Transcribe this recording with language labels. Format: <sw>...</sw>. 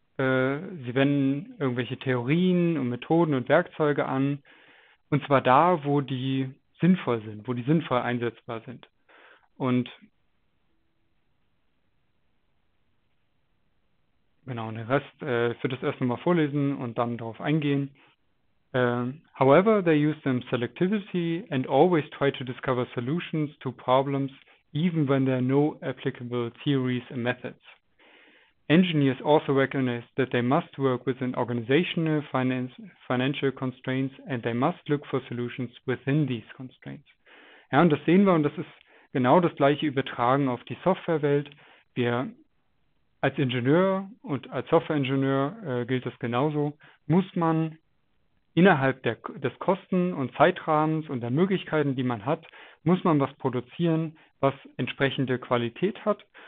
<de>Sie wenden irgendwelche Theorien und Methoden und Werkzeuge an. Und zwar da, wo die sinnvoll sind, wo die sinnvoll einsetzbar sind. Und genau, den Rest für das erste Mal vorlesen und dann darauf eingehen.</de> <en>However, they use them selectively and always try to discover solutions to problems, even when there are no applicable theories and methods. Engineers also recognize that they must work within organizational financial constraints and they must look for solutions within these constraints.</en> <de>Ja, und das sehen wir und das ist genau das gleiche übertragen auf die Softwarewelt. Wir als Ingenieur und als Softwareingenieur gilt das genauso, muss man innerhalb des Kosten- und Zeitrahmens und der Möglichkeiten, die man hat, muss man was produzieren, was entsprechende Qualität hat.</de>